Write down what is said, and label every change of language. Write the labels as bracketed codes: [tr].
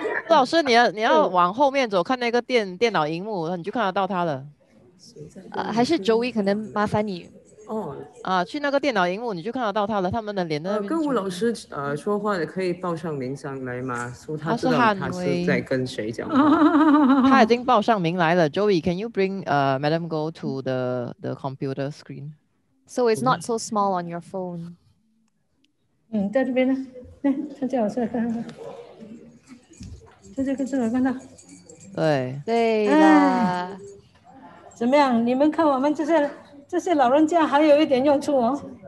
[zh] 老师，你要往后面走，看那个电脑荧幕，你就看得到他了。还是 Joey 可能麻烦你哦啊，去那个电脑荧幕，你就看得到他了，他们的脸在那边。跟吴老师说话的可以报上名上来吗？说他知道他是在跟谁讲话。他已经报上名来了。 [en] Joey， can you bring Madam Goh to the computer screen？ So it's not so small on your phone. [zh] 嗯，在这边呢，来，他叫我出来看看，他这个是没看到。对。对啦。怎么样？你们看我们这些老人家还有一点用处哦。